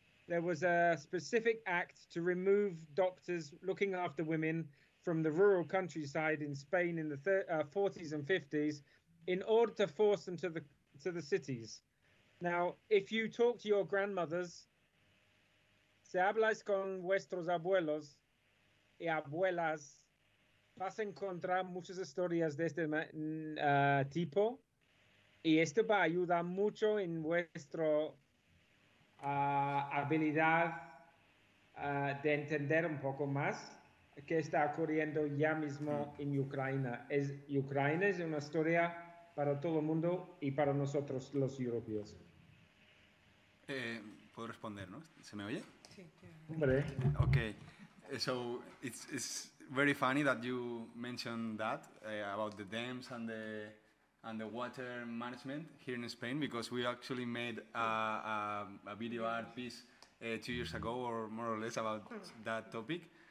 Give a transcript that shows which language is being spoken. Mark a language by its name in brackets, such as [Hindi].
[English] There was a specific act to remove doctors looking after women from the rural countryside in Spain in the 40s and 50s in order to force them to the cities. Now, if you talk to your grandmothers, [Spanish] si hablas con vuestros abuelos y abuelas, vas a encontrar muchas historias de este tipo, y esto va a ayudar mucho en vuestra habilidad de entender un poco más qué está ocurriendo ya mismo en Ucrania. Ucrania es una historia para todo el mundo y para nosotros los europeos. Puedo responder, ¿no? ¿Se me oye? Sí, hombre. [English] Okay, so it's very funny that you mentioned that about the dams and the water management here in Spain, because we actually made a video art piece 2 years ago or more or less about that topic.